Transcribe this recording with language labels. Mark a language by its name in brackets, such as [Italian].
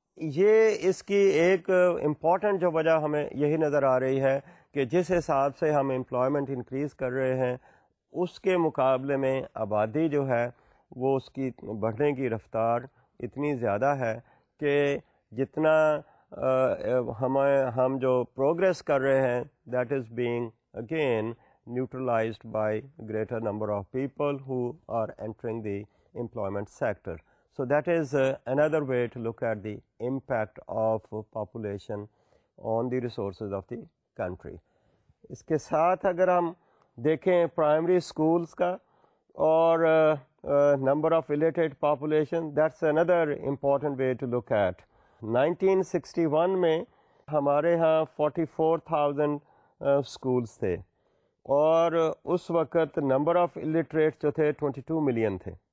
[Urdu] یہ اس کی ایک امپورٹنٹ جو وجہ ہمیں یہی نظر آ رہی ہے کہ جس حساب سے ہم امپلائمنٹ انکریز کر رہے ہیں اس کے مقابلے میں آبادی جو ہے وہ اس کی بڑھنے کی رفتار اتنی زیادہ ہے کہ جتنا ہم جو پروگرس کر رہے ہیں [English] That is being again neutralised by greater number of people who are entering the employment sector. So that is another way to look at the impact of population on the resources of the country. [Urdu] اس کے ساتھ اگر ہم دیکھیں primary schools کا اور number of related population, [English] That's another important way to look at. [Urdu] 1961 میں ہمارے ہاں 44,000 اسکولس تھے اور اس وقت نمبر آف الٹریٹ جو تھے 22 ملین تھے.